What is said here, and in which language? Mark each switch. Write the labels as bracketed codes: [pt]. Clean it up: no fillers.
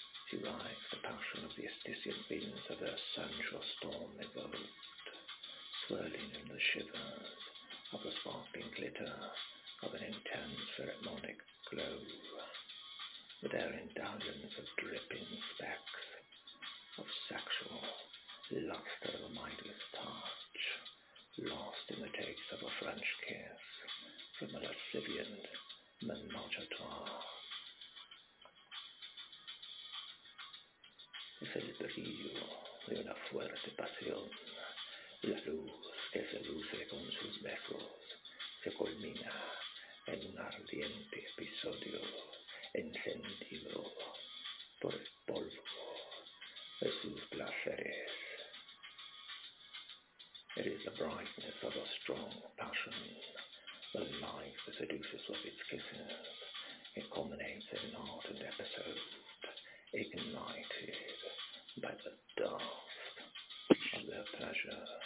[en] She rides the passion of the astisian beings of her sensual storm evoked, swirling in the shivers of the sparkling glitter of an intense pheromonic glow, with her indulgence of dripping specks of sexual lust of a mightiest touch, lost in the taste of a French kiss from a lascivian menagerie. [es] Es el brillo de una fuerte pasión, la luz que se luce con sus besos se culmina en un ardiente episodio encendido por el polvo de sus placeres. [en] It is the brightness of a strong passion, the light that seduces with its kisses. It culminates in an ardent episode, ignited by the dust of their pleasure.